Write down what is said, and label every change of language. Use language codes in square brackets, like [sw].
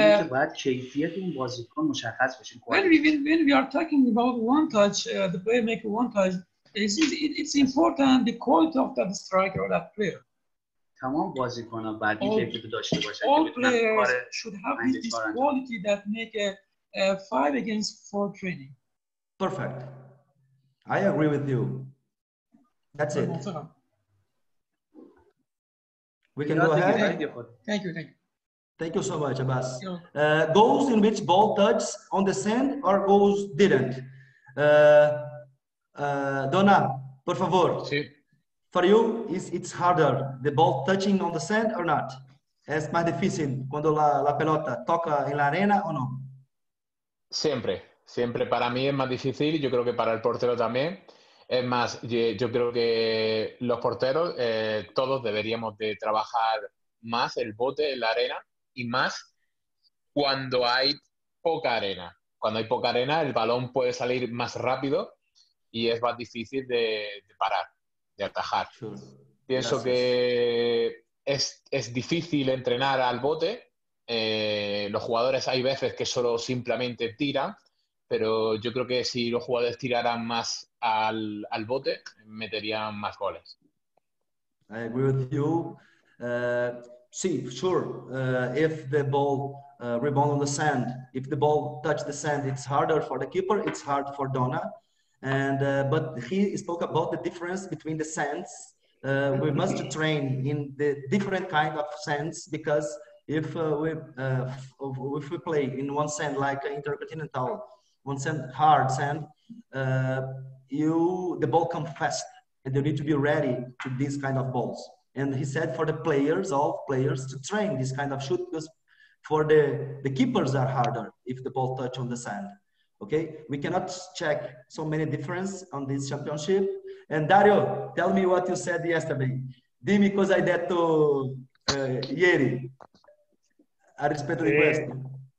[fa] باید کیفیت اون بازیکن مشخص بشه. [en] When we are talking about one touch, the player make one touch, it's important the quality of that striker or that player. [fa] تمام بازیکن‌ها باید این کیفیت داشته باشن. [en] All players should have this quality that make a 5-against-4 training. Perfect. I agree with you. That's it. We can go ahead. Thank you. Thank you so much, Abbas. Goals in which ball touched on the sand or goals didn't? [es] Dona, por favor. Sí. [en] For you, it's harder, the ball touching on the sand or not? [es] Es más difícil cuando la pelota toca en la arena o no? Siempre para mí es más difícil, yo creo que para el portero también. Es más, yo creo que los porteros, todos deberíamos de trabajar más el bote en la arena y más cuando hay poca arena. Cuando hay poca arena, el balón puede salir más rápido y es más difícil de parar, de atajar. [en] Sure. [es] Pienso Gracias. Que es difícil entrenar al bote. Los jugadores hay veces que solo simplemente tiran. Pero yo creo que si los jugadores tiraran más al bote, meterían más goles. [en] I agree with you. [es] Sí, [en] sure. If the ball rebounds on the sand, if the ball touches the sand, it's harder for the keeper, it's hard for Dona. But he spoke about the difference between the sands. We must train in the different kind of sands because if we play in one sand like Intercontinental, one sand, hard sand, the ball comes fast and you need to be ready to these kind of balls. And he said for the players, all players, to train this kind of shoot because for the keepers are harder if the ball touch on the sand. Okay, we cannot check so many difference on this championship. And Dario, tell me what you said yesterday. [it] Dimmi cosa hai detto ieri a rispetto di questo.